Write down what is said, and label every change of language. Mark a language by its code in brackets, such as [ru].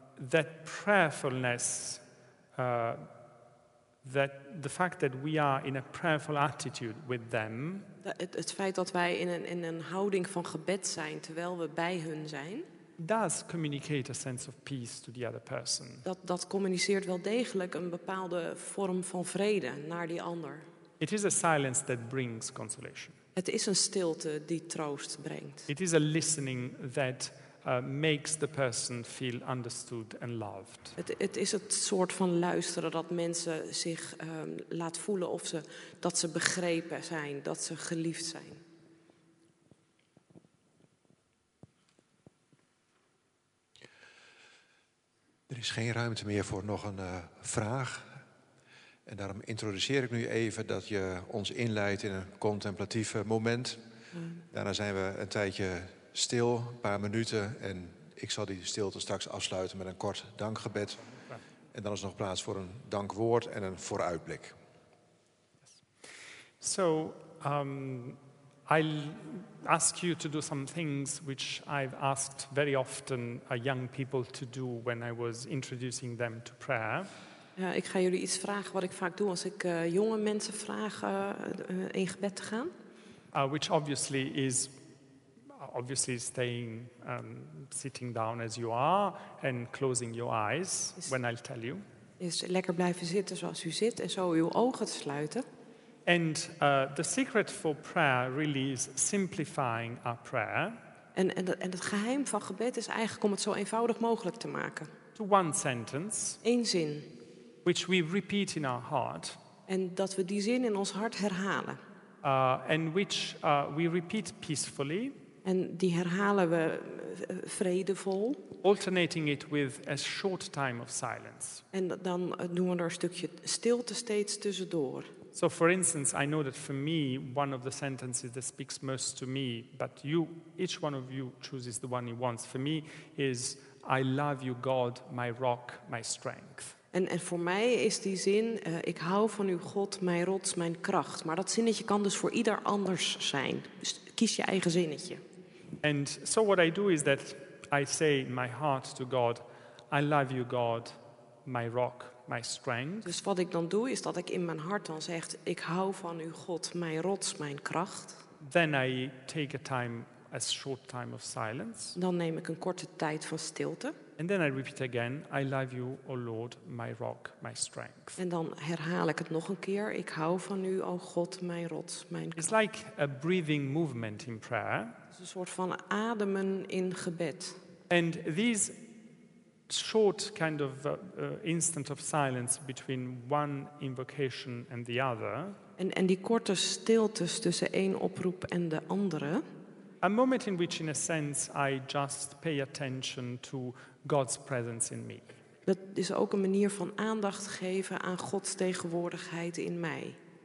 [en] That prayerfulness, that the fact that we are in a prayerful attitude with them. [nl] Het feit dat wij in een houding van gebed zijn terwijl we bij hun zijn. [en] Does communicate a sense of peace to the other person. [nl] Dat communiceert wel degelijk een bepaalde vorm van vrede naar die ander. [en] It is a silence that brings consolation. [nl] Het is een stilte die troost brengt. [en] It is a listening that makes the person feel understood and loved. [nl] Het is het soort van luisteren dat mensen zich laat voelen of ze dat ze begrepen zijn, dat ze geliefd zijn. Er is geen ruimte meer voor nog een vraag. En daarom introduceer ik nu even dat je ons inleidt in een contemplatief moment. Daarna zijn we een tijdje stil, een paar minuten. En ik zal die stilte straks afsluiten met een kort dankgebed. En dan is nog plaats voor een dankwoord en een vooruitblik. [en] So, I'll ask you to do some things which I've asked very often young people to do when I was introducing them to prayer. [nl] Ja, ik ga jullie iets vragen wat ik vaak doe als ik jonge mensen vraag in gebed te gaan. [en] Which obviously is staying sitting down as you are and closing your eyes when I'll tell you. [nl] Is lekker blijven zitten zoals u zit en zo uw ogen te sluiten. [en] And the secret for prayer really is simplifying our prayer. [nl] En het geheim van gebed is eigenlijk om het zo eenvoudig mogelijk te maken. [en] To one sentence. [nl] Eén zin. [en] Which we repeat in our heart. [nl] En dat we die zin in ons hart herhalen. [en] And which we repeat peacefully. [nl] En die herhalen we vredevol. [en] Alternating it with a short time of silence. [nl] En dan doen we er een stukje stilte steeds tussendoor. [en] So for instance, I know that for me, one of the sentences that speaks most to me, but you, each one of you chooses the one he wants. For me is, I love you God, my rock, my strength. [nl] En voor mij is die zin, ik hou van u God, mijn rots, mijn kracht. Maar dat zinnetje kan dus voor ieder anders zijn. Dus kies je eigen zinnetje. [en] And so what I do is that I say in my heart to God, I love you God, my rock, my strength. [nl] Dus wat ik dan doe is dat ik in mijn hart dan zeg, ik hou van u God, mijn rots, mijn kracht. [en] Then I take a short time of silence. [nl] Dan neem ik een korte tijd van stilte. [en] And then I repeat again, I love you, O Lord, my rock, my strength. [nl] En dan herhaal ik het nog een keer, ik hou van u, O God, mijn rots, mijn kracht. [en] It's like a breathing movement in prayer. [nl] Het is een soort van ademen in gebed. [en] And these short kind of instant of silence between one invocation and the other. [nl] En die korte stiltes tussen één oproep en de andere. [en] A moment in which, in a sense, I just pay attention to God's presence in me. [nl] Dat is ook een manier van aandacht geven aan Gods tegenwoordigheid in mij.